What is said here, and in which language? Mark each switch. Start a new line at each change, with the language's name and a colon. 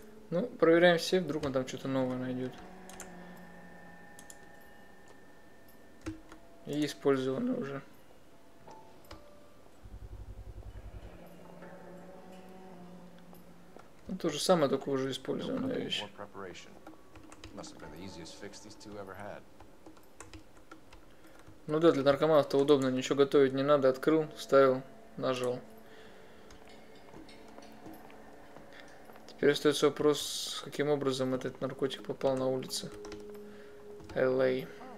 Russian: Ну, проверяем все, вдруг он там что-то новое найдет. И использованы уже. Ну, то же самое, только уже использованная вещь.
English: Must have been the easiest fix these two ever had.
Russian: Ну да, для наркоманов-то удобно, ничего готовить не надо. Открыл, вставил, нажал. Теперь остается вопрос, каким образом этот наркотик попал на улицы LA.